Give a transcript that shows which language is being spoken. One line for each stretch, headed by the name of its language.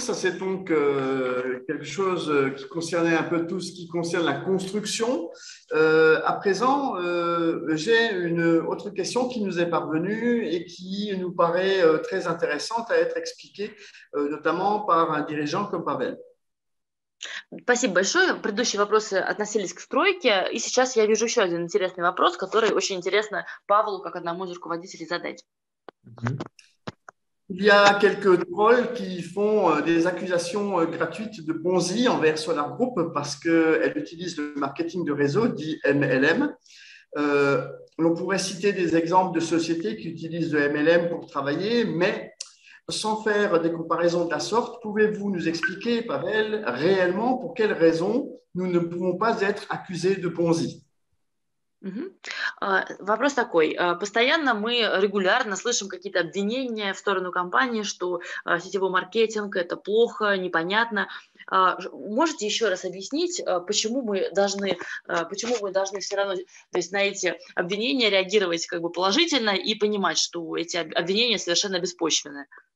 French: Ça, c'est donc quelque chose qui concernait un peu tout ce qui concerne la construction. À présent, j'ai une autre question qui nous est parvenue et qui nous paraît très intéressante à être expliquée, notamment par un dirigeant comme Pavel.
Russian: Спасибо большое. Предыдущие вопросы относились к стройке, и сейчас я вижу еще один интересный вопрос, который очень интересно Павлу, как одному из руководителей, задать.
French: Il y a quelques trolls qui font des accusations gratuites de Ponzi envers Solar Group parce qu'elle utilise le marketing de réseau, dit MLM. On pourrait citer des exemples de sociétés qui utilisent le MLM pour travailler, mais sans faire des comparaisons de la sorte, pouvez-vous nous expliquer, Pavel, réellement pour quelles raisons nous ne pouvons pas être accusés de Ponzi?
Russian: Вопрос такой. Постоянно мы регулярно слышим какие-то обвинения в сторону компании, что сетевой маркетинг – это плохо, непонятно. Можете еще раз объяснить, почему мы должны все равно, то есть на эти обвинения реагировать как бы положительно и понимать, что эти обвинения совершенно беспочвенны?